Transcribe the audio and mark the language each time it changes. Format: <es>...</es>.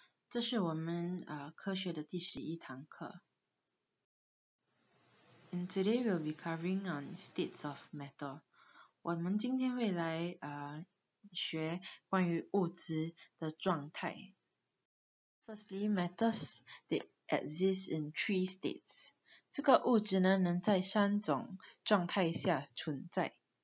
<zh>这是我们科学的第十一堂课。</zh> <en>And today we'll be covering on states of matter.</en> <zh>我们今天会来学关于物质的状态。</zh> <en>Firstly, matters they exist in three states.</en> <zh>这个物质呢能在三种状态下存在。</zh>